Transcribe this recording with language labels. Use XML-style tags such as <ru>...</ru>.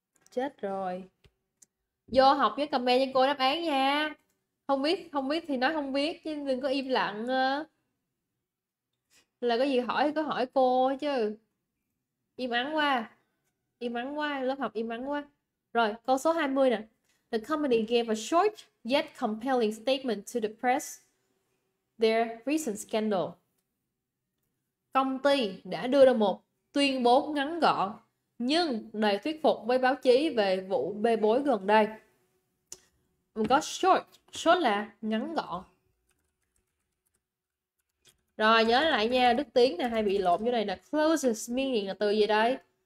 <vi>Chết rồi. Vô học với comment cho cô đáp án nha. Không biết thì nói không biết chứ đừng có im lặng. Là có gì hỏi thì có hỏi cô chứ. Im ắng quá. Im ắng quá, lớp học im ắng quá. Rồi, câu số 20 nè.</vi> <en>The company gave a short yet compelling statement to the press their recent scandal.</en> <vi>Công ty đã đưa ra một tuyên bố ngắn gọn nhưng đầy thuyết phục với báo chí về vụ bê bối gần đây. Mình có short, short là ngắn gọn. Rồi nhớ lại nha, Đức Tiến nè hay bị lộn chỗ này nè. Closest meaning là từ gì đây?</vi>